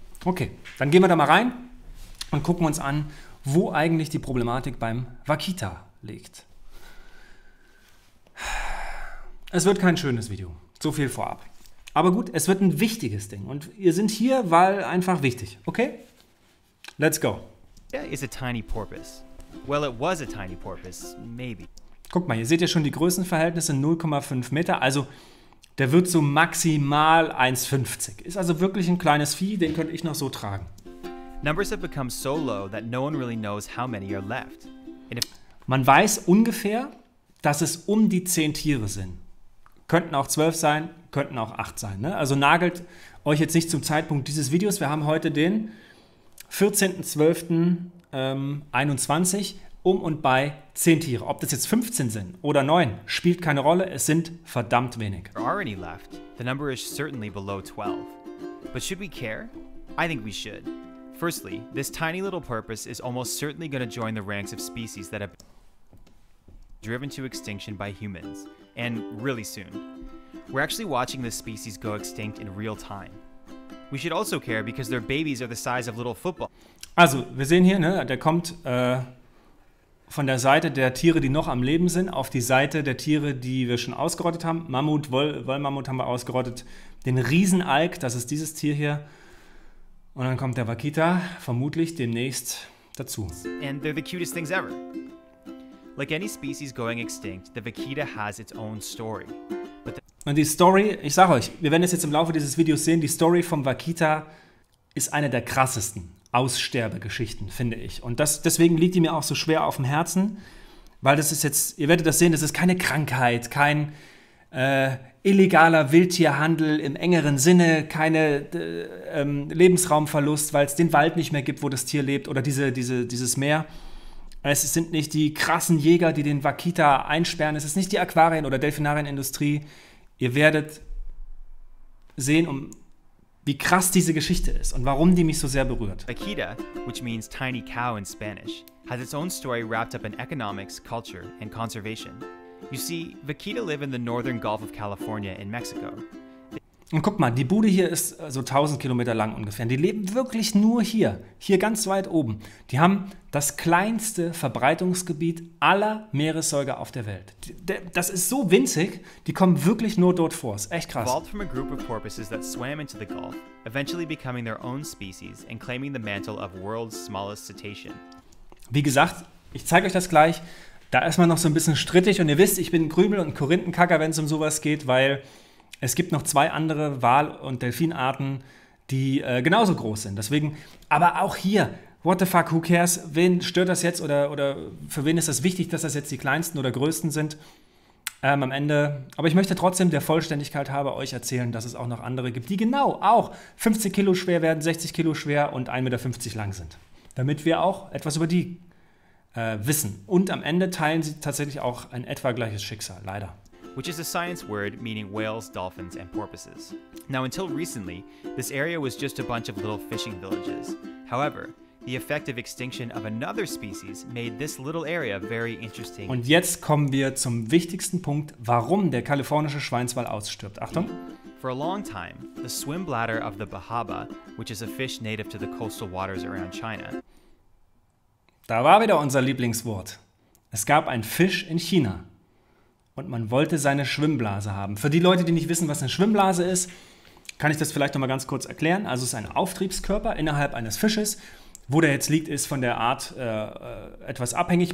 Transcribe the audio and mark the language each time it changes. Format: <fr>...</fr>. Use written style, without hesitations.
<de>Okay, dann gehen wir da mal rein und gucken uns an, wo eigentlich die Problematik beim Wakita liegt. Es wird kein schönes Video, so viel vorab. Aber gut, es wird ein wichtiges Ding. Und ihr sind hier, weil einfach wichtig.</de> <en>Okay? Let's go. Yeah, is a tiny porpoise. Well, it was a tiny porpoise, maybe.</en> <de>Guck mal, ihr seht ja schon die Größenverhältnisse 0,5 Meter. Also der wird so maximal 1,50. Ist also wirklich ein kleines Vieh, den könnte ich noch so tragen.</de> <en>Numbers have become so low that no one really knows how many are left.</en> <de>Man weiß ungefähr, dass es um die 10 Tiere sind. Könnten auch 12 sein, könnten auch 8 sein, ne? Also nagelt euch jetzt nicht zum Zeitpunkt dieses Videos. Wir haben heute den 14.12.21 um und bei 10 Tiere. Ob das jetzt 15 sind oder 9, spielt keine Rolle. Es sind verdammt wenig.</de> <en>There are any left. The number is certainly below 12. But should we care? I think we should. Firstly, this tiny little porpoise is almost certainly going to join the ranks of species that have been driven to extinction by humans. And really soon. We're actually watching this species go extinct in real time. We should also care because their babies are the size of little football.</en> <de>Also, wir sehen hier, ne, der kommt von der Seite der Tiere, die noch am Leben sind, auf die Seite der Tiere, die wir schon ausgerottet haben. Mammut, Wollmammut haben wir ausgerottet. Den Riesenalk, das ist dieses Tier hier. Und dann kommt der Wakita, vermutlich demnächst dazu.</de> <en>And they're the cutest things ever. Like any species going extinct, the Wakita has its own story.</en> <de>Und die Story, ich sag euch, wir werden es jetzt im Laufe dieses Videos sehen, die Story vom Wakita ist eine der krassesten Aussterbegeschichten, finde ich. Und das, deswegen liegt die mir auch so schwer auf dem Herzen, weil das ist jetzt, ihr werdet das sehen, das ist keine Krankheit, kein illegaler Wildtierhandel im engeren Sinne, keine Lebensraumverlust, weil es den Wald nicht mehr gibt, wo das Tier lebt oder dieses Meer. Es sind nicht die krassen Jäger, die den Wakita einsperren. Es ist nicht die Aquarien- oder Delfinarienindustrie. Ihr werdet sehen, wie krass diese Geschichte ist und warum die mich so sehr berührt.</de> <en>Wakita, which means tiny cow in Spanish, has its own story wrapped up in economics, culture and conservation. You see, Wakita live in the northern Gulf of California in Mexico.</en> <de>Und guck mal, die Bude hier ist so 1000 Kilometer lang ungefähr. Die leben wirklich nur hier, hier ganz weit oben. Die haben das kleinste Verbreitungsgebiet aller Meeressäuger auf der Welt. Das ist so winzig, die kommen wirklich nur dort vor. Ist echt krass.</de> <en>Evolved from a group of porpoises that swam into the Gulf, eventually becoming their own species and claiming the mantle of world's smallest cetacean.</en> <de>Wie gesagt, ich zeige euch das gleich. Da ist man noch so ein bisschen strittig. Und ihr wisst, ich bin Krümel- und Korinthenkacker, wenn es um sowas geht, weil es gibt noch zwei andere Wal- und Delfinarten, die genauso groß sind. Deswegen, aber auch hier,</de> <en>what the fuck, who cares?</en> <de>Wen stört das jetzt oder für wen ist das wichtig, dass das jetzt die kleinsten oder größten sind am Ende? Aber ich möchte trotzdem der Vollständigkeit halber euch erzählen, dass es auch noch andere gibt, die genau auch 50 Kilo schwer werden, 60 Kilo schwer und 1,50 Meter lang sind. Damit wir auch etwas über die wissen. Und am Ende teilen sie tatsächlich auch ein etwa gleiches Schicksal, leider.</de> <en>Which is a science word meaning whales, dolphins and porpoises. Now until recently, this area was just a bunch of little fishing villages. However, the effect of extinction of another species made this little area very interesting.</en> <de>Und jetzt kommen wir zum wichtigsten Punkt, warum der kalifornische Schweinswal ausstirbt. Achtung.</de> <en>For a long time, the swim bladder of the Bahaba, which is a fish native to the coastal waters around China.</en> <de>Da war wieder unser Lieblingswort. Es gab einen Fisch in China. Und man wollte seine Schwimmblase haben. Für die Leute, die nicht wissen, was eine Schwimmblase ist, kann ich das vielleicht noch mal ganz kurz erklären. Also es ist ein Auftriebskörper innerhalb eines Fisches. Wo der jetzt liegt, ist von der Art etwas abhängig.</de>